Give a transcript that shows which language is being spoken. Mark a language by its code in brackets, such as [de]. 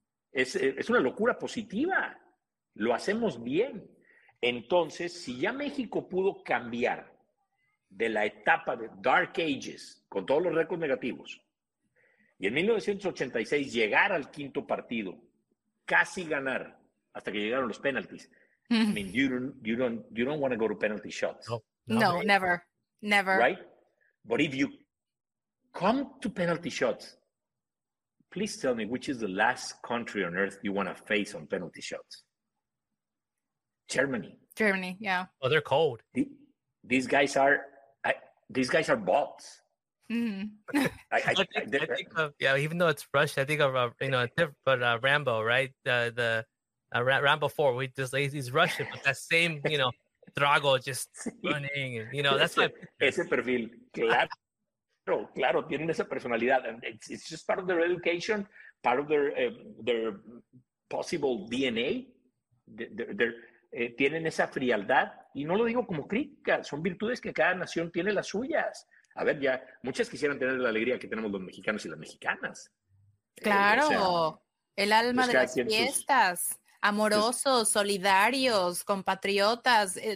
[es] Es una locura positiva. Lo hacemos bien. Entonces, si ya México pudo cambiar de la etapa de Dark Ages, con todos los récords negativos, y en 1986 llegar al 5º partido, casi ganar, hasta que llegaron los penaltis. [en] I mean, you don't want to go to penalty shots. No, never. Right? But if you come to penalty shots, please tell me which is the last country on earth you want to face on penalty shots. Germany. Germany, yeah. Oh, they're cold. These guys are bots. Mm-hmm. Even though it's Russia, I think of Rambo, right? Rambo 4. We just lazy. He's Russian, but that same Drago just running. And, that's my [es] ese perfil. Claro, tienen esa personalidad. [en] And it's just part of their education, part of their possible DNA. [es] Tienen esa frialdad y no lo digo como crítica. Son virtudes que cada nación tiene las suyas. A ver, ya muchas quisieran tener la alegría que tenemos los mexicanos y las mexicanas. Claro, el alma de las fiestas, amorosos, solidarios, compatriotas.